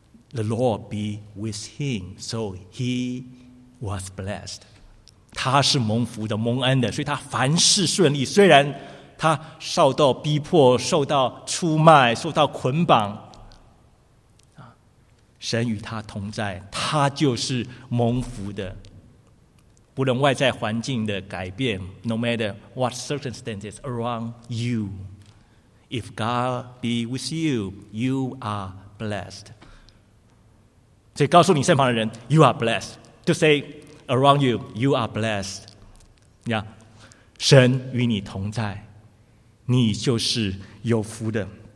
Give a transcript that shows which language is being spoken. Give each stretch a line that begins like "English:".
English: The Lord be with him, so he was blessed.
Chinese: 他是蒙福的，蒙恩的，所以他凡事顺利。虽然他受到逼迫，受到出卖，受到捆绑，神与他同在，他就是蒙福的。不论外在环境的改变，
English: No matter what circumstances around you, if God be with you, you are blessed.
Chinese: 所以告诉你身旁的人
English: You are blessed to say around you, you are blessed、yeah.
Chinese: 神与你同在，你就是有福的。